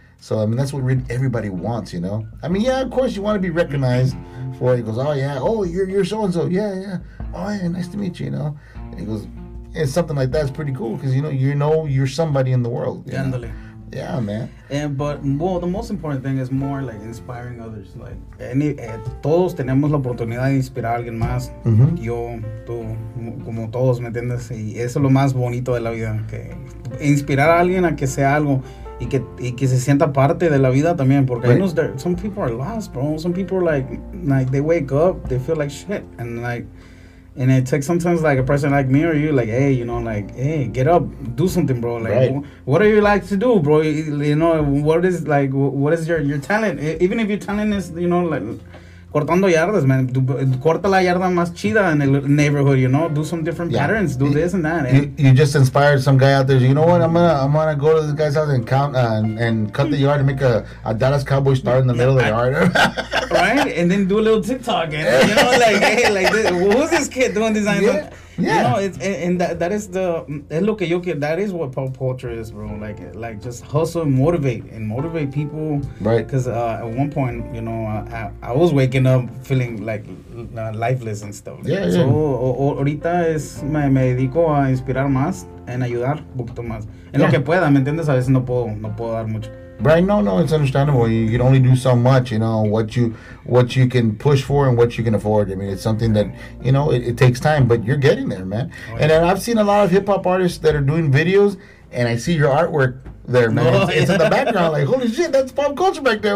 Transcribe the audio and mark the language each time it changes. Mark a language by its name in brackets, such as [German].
[English] So, I mean, that's what everybody wants, you know? I mean, yeah, of course, you want to be recognized for it. He goes, oh, yeah, oh, you're so-and-so. Yeah, yeah. Oh, yeah, nice to meet you, you know? And he goes, and something like that is pretty cool because, you know you're somebody in the world. Definitely. Yeah, man. But the most important thing is more, like, inspiring others. [Spanish] Like, todos tenemos la oportunidad de inspirar a alguien más. Mm-hmm. Yo, tú, como todos, ¿me entiendes? Y eso es lo más bonito de la vida, que inspirar a alguien a que sea algo... Y que se sienta parte de la vida también, porque right. [English] Some people are lost, bro. Some people are like they wake up, they feel like shit, and it takes sometimes like a person like me or you, like, hey, you know, like, hey, get up, do something, bro. Like, right. What do you like to do, bro? You know, what is your talent? Even if your talent is, you know, like cortando yardas, man, corta la yarda más chida in the neighborhood, you know, do some different patterns, do this and that. You just inspired some guy out there, you know what, I'm gonna go to this guy's house and count and cut the yard and make a Dallas Cowboy start in the middle of the yard. Right, and then do a little TikTok, and, you know, like, hey, like, who's this kid doing design? Yeah. You know, that is what pop culture is, bro. Like just hustle and motivate people. Right. Because at one point, you know, I was waking up feeling like lifeless and stuff. Yeah, yeah. [Spanish] So ahorita es, me dedico a inspirar más, en ayudar un poquito más. En lo que pueda, ¿me entiendes? A veces no puedo dar mucho. [English] Right, no, it's understandable. You can only do so much, you know, what you can push for and what you can afford. I mean, it's something that, you know, it takes time, but you're getting there, man. Oh, yeah. And I've seen a lot of hip-hop artists that are doing videos, and I see your artwork there, man. Oh, it's in the background, like, holy shit, that's Pop Culture back there.